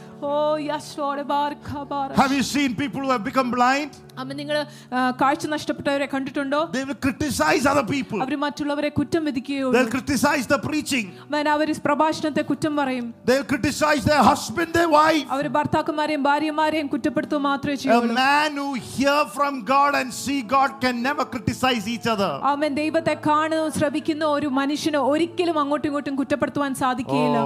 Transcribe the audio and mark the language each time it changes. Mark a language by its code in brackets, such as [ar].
[en] Have you seen people who have become blind? [ml] കണ്ടിട്ടുണ്ടോ? [en] They will criticize other people. [ml] അവർ മറ്റുള്ളവരെ കുറ്റം വിധിക്കുകയുള്ളൂ. [en] They will criticize the preaching. [ml] അവർ പ്രഭാഷണത്തെ കുറ്റം പറയും. [en] They will criticize their husband, their wife. [ml] അവർ ഭർത്താക്കന്മാരെയും ഭാര്യമാരെയും കുറ്റപ്പെടുത്തുക മാത്രമേ ചെയ്യുള്ളൂ. [en] A man who hear from God and see God can never criticize each other. [ml] അവൻ ദൈവത്തെ കാണുന്ന ശ്രവിക്കുന്ന ഒരു മനുഷ്യനെ ഒരിക്കലും അങ്ങോട്ടും ഇങ്ങോട്ടും കുറ്റപ്പെടുത്തുവാൻ സാധിക്കില്ല.